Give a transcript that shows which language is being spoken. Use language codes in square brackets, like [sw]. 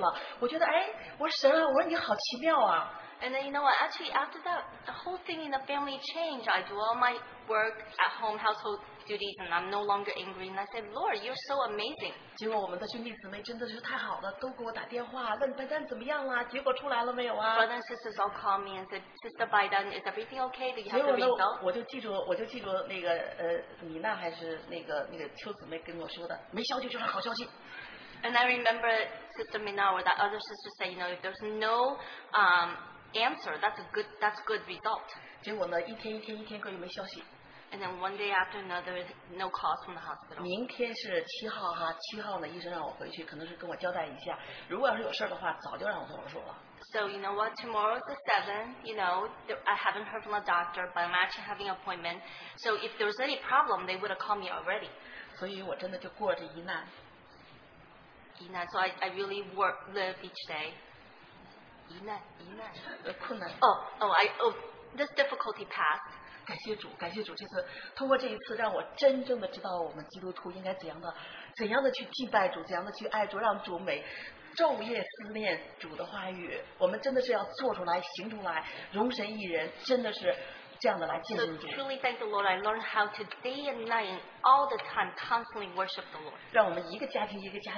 [zh] 我们就到现在就觉得变了，一切都变了，也家里面气氛也好了。我做什么活我也不觉得累了。我觉得哎，我说神啊，我说你好奇妙啊。 [en] And then you know what, actually after that, the whole thing in the family changed. I do all my work at home, household duties, and I'm no longer angry. And I said, Lord, you're so amazing. [zh] 结果我们的兄弟姊妹真的是太好了，都给我打电话问拜登怎么样啊，结果出来了没有啊。 [en] Brother and sisters all call me and said, Sister Biden, is everything okay? Do you have the result? [zh] 我就记住那个米娜还是那个邱姊妹跟我说的，没消息就是好消息。 [en] And I remember Sister Mina or that other sister said, you know, if there's no answer, that's a good result. [zh] 结果呢，一天一天一天，各位没消息。 [en] And then one day after another, no calls from the hospital. [zh] 明天是七号哈，七号呢，医生让我回去，可能是跟我交代一下。如果要是有事的话，早就让我跟我说了。 [en] So you know what? Tomorrow is the 7th. You know, I haven't heard from the doctor, but I'm actually having an appointment. So if there's any problem, they would have called me already. [zh] 所以我真的就过着一难。一难. [en] So I really work live each day. [zh] 一难。困难. [en] This difficulty passed. [zh] 感谢主，感谢主。这次通过这一次，让我真正的知道我们基督徒应该怎样的去敬拜主，怎样的去爱主，让主美。昼夜思念主的话语，我们真的是要做出来、行出来，容神一人，真的是这样的来见证主。 [en] So truly thank the Lord, I learned how to day and night, all the time, constantly worship the Lord.